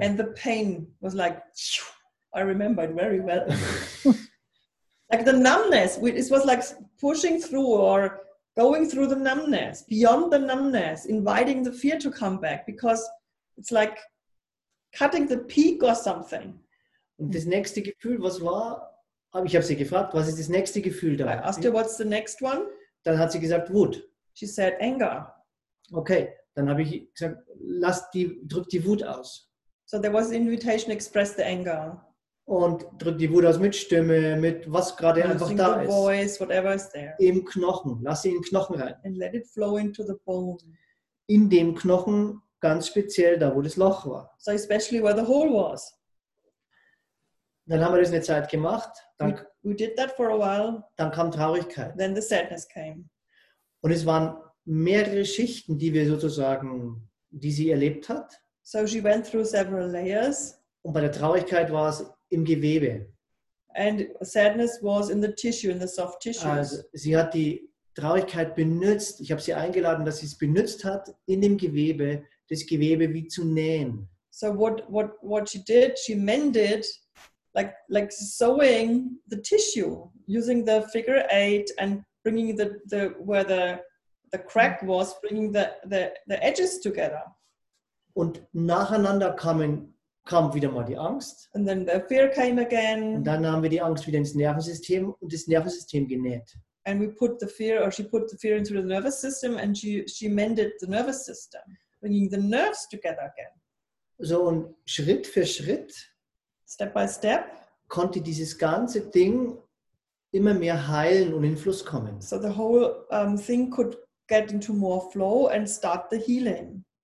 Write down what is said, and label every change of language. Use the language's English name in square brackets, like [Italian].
[English] And the pain was like, I remember it very well. Like the numbness, it was like pushing through or going through the numbness, beyond the numbness, inviting the fear to come back, because it's like cutting the peak or something. [German] Und das nächste Gefühl, was war? Ich habe sie gefragt, was ist das nächste Gefühl da? [English] I asked her, what's the next one? [German] Dann hat sie gesagt, Wut. [English] She said, anger. [German] Okay, dann habe ich gesagt, drück die Wut aus. [English] So there was an invitation, express the anger. [German] Und drück die Wut aus mit Stimme, mit was gerade einfach da ist. [English] Voice, whatever is there. [German] Im Knochen, lass sie in den Knochen rein. [English] And let it flow into the bone. [German] In dem Knochen, ganz speziell da, wo das Loch war. [English] So especially where the hole was. [German] Dann haben wir das eine Zeit gemacht. [English] We did that for a while. [German] Dann kam Traurigkeit. [English] Then the sadness came. [German] Und es waren mehrere Schichten, die wir sozusagen, die sie erlebt hat. [English] So she went through several layers. [German] Und bei der Traurigkeit war es im Gewebe. [English] And sadness was in the tissue, in the soft tissue. [German] Also sie hat die Traurigkeit benutzt. Ich habe sie eingeladen, dass sie es benutzt hat, in dem Gewebe, das Gewebe wie zu nähen. [English] So what she did, she mended, like sewing the tissue, using the figure eight and bringing the where the crack was, bringing the edges together. [German] Und nacheinander kam wieder mal die Angst. [English] And then the fear came again. [German] Und dann haben wir die Angst wieder ins Nervensystem und das Nervensystem genäht. [English] And we put the fear, or she put the fear into the nervous system, and she mended the nervous system, bringing the nerves together again. [German] So und Schritt für Schritt, [English] step by step, [German] konnte dieses ganze Ding immer mehr heilen und in Fluss kommen. [English] So the whole thing could get into more flow and start the healing.